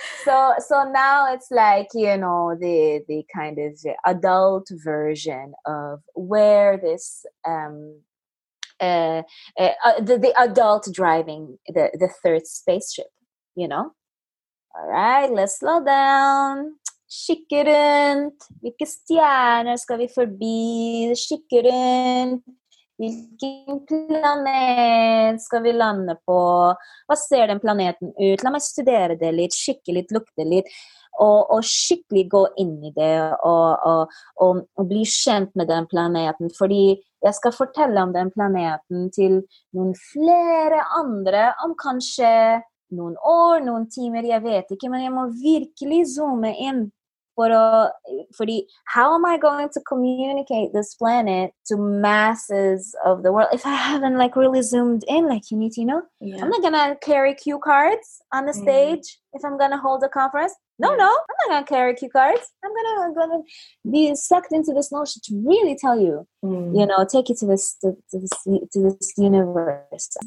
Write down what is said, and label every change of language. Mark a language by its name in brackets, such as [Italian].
[English] So now it's like, you know, the kind of the adult version of where this the adult driving the Third Spaceship, you know. All right, let's slow down. [Norwegian] skicker rundt, hvilke stjerner skal vi forbi, skikker rundt, hvilken planet skal vi lande på, hva ser den planeten ut, la meg studere det litt, skikke litt, lukte litt, og skikkelig gå inn I det, og bli kjent med den planeten, fordi jeg skal fortelle om den planeten til noen flere andre, om kanskje noen år, noen timer, jeg vet ikke, men jeg må virkelig zoome inn. Fordi, [English] how am I going to communicate this planet to masses of the world if I haven't like really zoomed in like you need to know? Yeah. I'm not gonna carry cue cards on the stage if I'm gonna hold a conference. No, I'm not gonna carry cue cards. I'm gonna be sucked into this notion to really tell you, you know, take you to this universe.